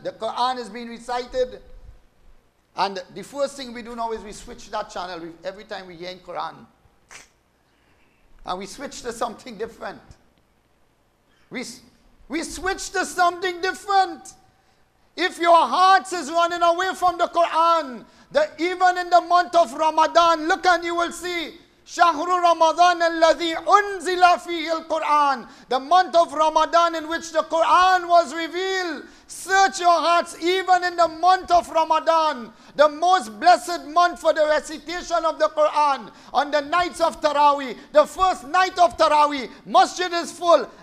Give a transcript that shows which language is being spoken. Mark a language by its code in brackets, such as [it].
[en] The Quran is being recited. And the first thing we do now is we switch that channel every time we hear in Quran. And we switch to something different. We switch to something different. If your heart is running away from the Quran, even in the month of Ramadan, look and you will see. [ar] شهر رمضان الذي أنزل فيه القرآن. [en] The month of Ramadan in which the Quran was revealed. Search your hearts even in the month of Ramadan. The most blessed month for the recitation of the Quran. On the nights of Tarawih. The first night of Tarawih. Masjid is full.